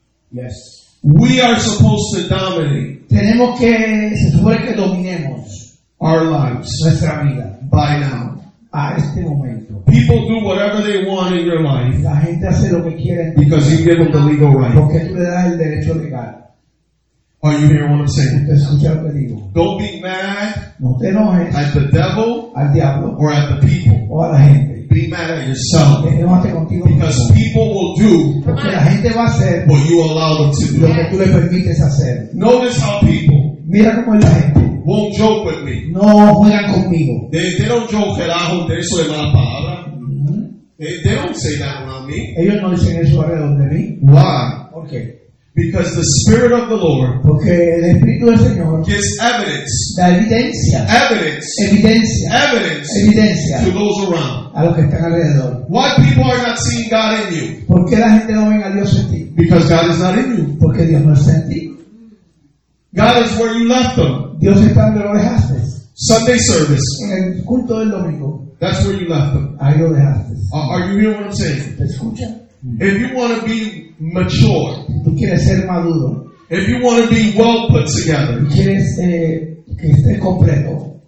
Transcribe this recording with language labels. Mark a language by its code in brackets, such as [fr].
[en] Yes, we are supposed to dominate. [es] Tenemos que se supone que dominemos [en] our lives, [es] nuestra vida, [en] by now. [es] A este momento. [en] People do whatever they want in your life. [es] La gente hace lo que quiere. [en] Because you give them the legal right. [es] Porque tú le das el derecho legal. [en] Are you hearing what I'm saying? [es] ¿Usted escucha lo que digo? [en] Don't be mad. [es] No te enojes. [en] At the devil. [es] Al diablo. [en] Or at the people. [es] O a la gente. [en] Be mad at yourself. [es] Enójate contigo. [en] Because people will do. [es] Porque la gente va a hacer. [en] What you allow them to do. [es] Lo que tú le permites hacer. [en] Notice how people. [es] Mira cómo es la gente. [en] Won't joke with me. [es] No juegan conmigo. [en] They don't joke around [es] eso de mala palabra. [en] They don't say that around me. [es] Ellos no dicen eso alrededor de mí. [en] Why? Okay. Because the Spirit of the Lord. [es] Porque el Espíritu del Señor. [en] Gives evidence. [es] Da evidencia. [en] Evidence. [es] Evidencia. [en] Evidence. [es] Evidencia. [en] To those around. [es] A los que están alrededor. [en] Why people are not seeing God in you? [es] ¿Por qué la gente no ven a Dios en ti? [en] Because God is not in you. [es] Porque Dios no está en ti. [en] God is where you left them. [es] Dios está donde lo dejaste. [en] Sunday service. [es] En el culto del domingo. [en] That's where you left them. [es] Ahí lo dejaste. [en] Are you hearing what I'm saying? [es] ¿Te escucha? [en] If you want to be mature. [es] Tú quieres ser maduro. [en] If you want to be well put together. [es] Tú quieres que esté completo.